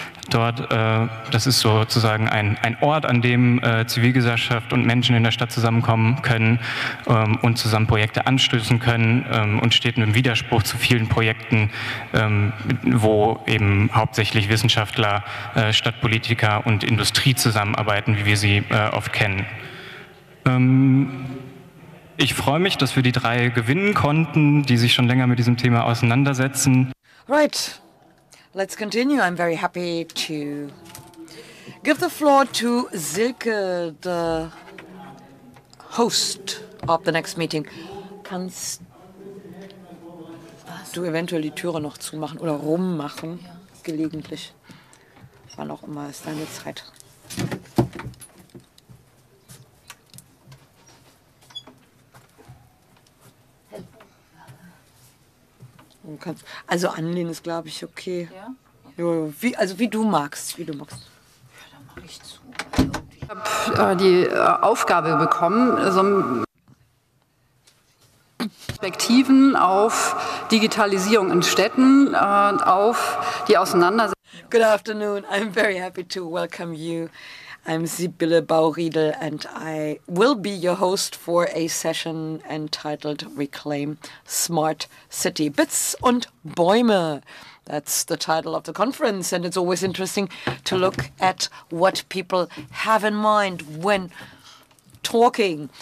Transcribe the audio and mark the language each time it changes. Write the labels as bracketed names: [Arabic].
[German] Dort, das ist sozusagen ein Ort, an dem Zivilgesellschaft und Menschen in der Stadt zusammenkommen können und zusammen Projekte anstößen können, und steht im Widerspruch zu vielen Projekten, wo eben hauptsächlich Wissenschaftler, Stadtpolitiker und Industrie zusammenarbeiten, wie wir sie oft kennen. Ich freue mich, dass wir die drei gewinnen konnten, die sich schon länger mit diesem Thema auseinandersetzen. [English] Right, let's continue. I'm very happy to give the floor to Silke, the host of the next meeting. [German] Kannst du eventuell die Türe noch zumachen oder rummachen, gelegentlich, wann auch immer es deine Zeit. Kannst. Also anlehnen ist, glaube ich, okay. Ja? Okay. Jo, wie, also wie du magst. Ja, dann mache ich zu. Ich habe die Aufgabe bekommen, so Perspektiven auf Digitalisierung in Städten und auf die Auseinandersetzung. [English] Good afternoon. I'm very happy to welcome you. I'm Sibylle Bauriedel and I will be your host for a session entitled Reclaim Smart City. Bits und Bäume, that's the title of the conference, and it's always interesting to look at what people have in mind when talking.